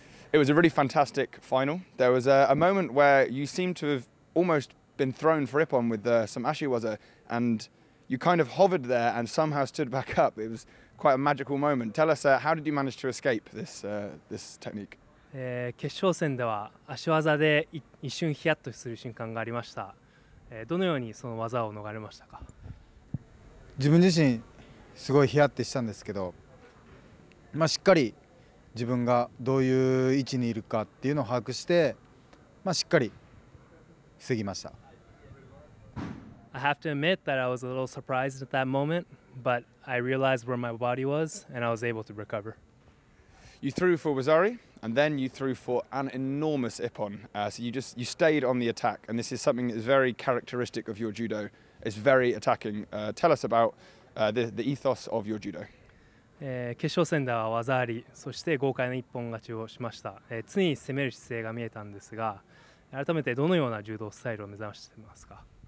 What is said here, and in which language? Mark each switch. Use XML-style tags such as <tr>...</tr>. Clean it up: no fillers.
<en>It was a really fantastic final. There was a moment where you seemed to have almost been thrown for Ippon with some ashiwaza, and you kind of hovered there and somehow stood back up. It was quite a magical moment. Tell us, how did you manage to escape this technique?</en> <ja>決勝戦では足技で一瞬 ヒヤッとする瞬間がありました。どのようにその技を逃れましたか? 自分自身すごいヒヤッてしたんですけど、 しっかり自分がどういう位置にいるかっていうのを把握して、 しっかり防ぎました。</ja> <en>I have to admit that I was a little surprised at that moment, but I realized where my body was and I was able to recover. You threw for Wazari and then you threw for an enormous Ippon. So you stayed on the attack, and this is something that is very characteristic of your judo. It's very attacking. Tell us about the ethos of your judo.</en> <ja>決勝戦では技あり、 そして豪快な一本勝ちをしました。常に攻める姿勢が見えたんですが、 改めてどのような柔道スタイルを目指していますか?</ja>